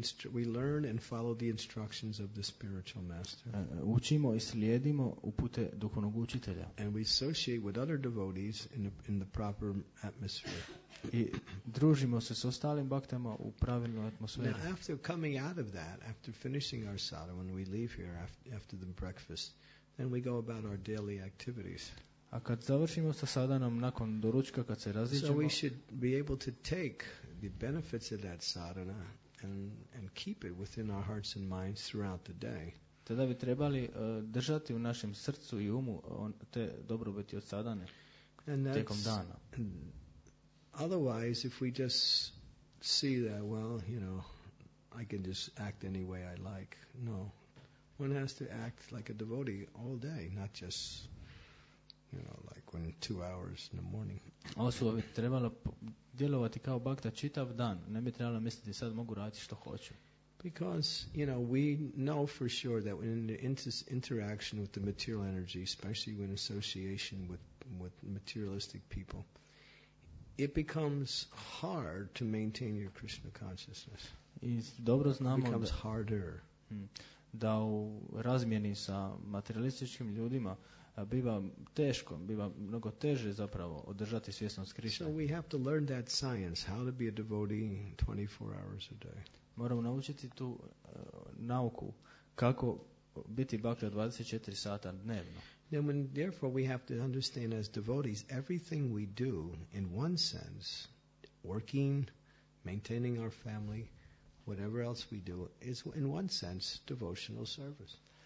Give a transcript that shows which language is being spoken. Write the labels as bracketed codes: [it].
[en] We learn and follow the instructions of the spiritual master. [hr] Učimo i slijedimo upute duhovnog učitelja. [en] And we associate with other devotees in the proper atmosphere. [hr] I družimo se s ostalim bhaktama u pravilnoj atmosferi. [en] Now, after coming out of that, after finishing our sadhana, when we leave here after the breakfast, then we go about our daily activities. [hr] A kad završimo sa sadhanom nakon doručka, kad se raziđemo, [en] so we should be able to take the benefits of that sadhana and keep it within our hearts and minds throughout the day. [hr] te da bi trebali držati u našem srcu i umu te dobrobiti od sadane tijekom dana. [en] Otherwise, if we just see that, well, you know, I can just act any way I like. No. One has to act like a devotee all day, not just, you know, like when 2 hours in the morning. [hr] Osoba bi trebala djelovati kao bhakta čitav dan. Ne bi trebala misliti sad mogu raditi što hoću. [en] Because, you know, we know for sure that when in the interaction with the material energy, especially when association with materialistic people, it becomes hard to maintain your Krishna consciousness. [hr] I dobro znamo [en] it becomes harder. [hr] Da u razmjeni sa materialističkim ljudima biva teško, biva mnogo teže zapravo održati svjesnost Krishna. [en] So we have to learn that science, how to be a devotee 24 hours a day. [hr] Moramo naučiti tu nauku kako biti bhakta 24 sata dnevno. [en] Then when, therefore we have to understand as devotees everything we do in one sense, working, maintaining our family, whatever else we do, is in one sense devotional service.